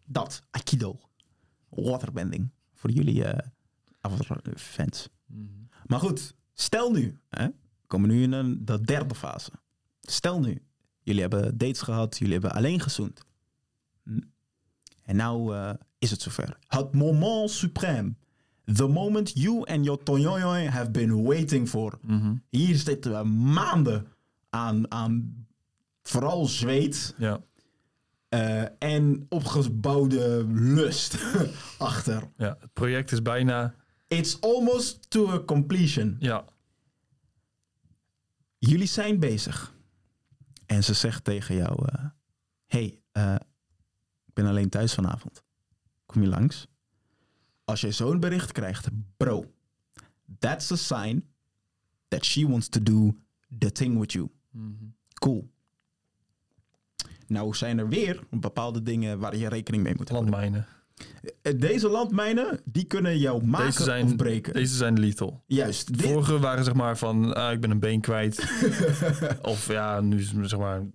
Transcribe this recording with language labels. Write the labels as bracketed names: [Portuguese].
[Dutch] Dat, Aikido. Waterbending. Voor jullie fans. Maar goed, stel nu, hè, komen nu in de derde fase. Stel nu, jullie hebben dates gehad, jullie hebben alleen gezoend. En nou is het zover. Het moment supreme. [English] The moment you and your tonjojoj have been waiting for. Mm-hmm. [Dutch] Hier zitten we maanden aan vooral zweet. Ja. En opgebouwde lust achter. Ja, het project is bijna... [English] It's almost to a completion. [Dutch] Ja. Jullie zijn bezig. En ze zegt tegen jou... ik ben alleen thuis vanavond. Kom je langs? Als je zo'n bericht krijgt... [English] Bro, that's a sign... that she wants to do the thing with you. Mm-hmm. Cool. [Dutch] Nou zijn er weer bepaalde dingen... waar je rekening mee moet houden. Landmijnen. Deze landmijnen, die kunnen jou maken of breken. Deze zijn lethal. Juist. Vorige waren zeg maar van, ik ben een been kwijt. Of ja, nu is het zeg maar...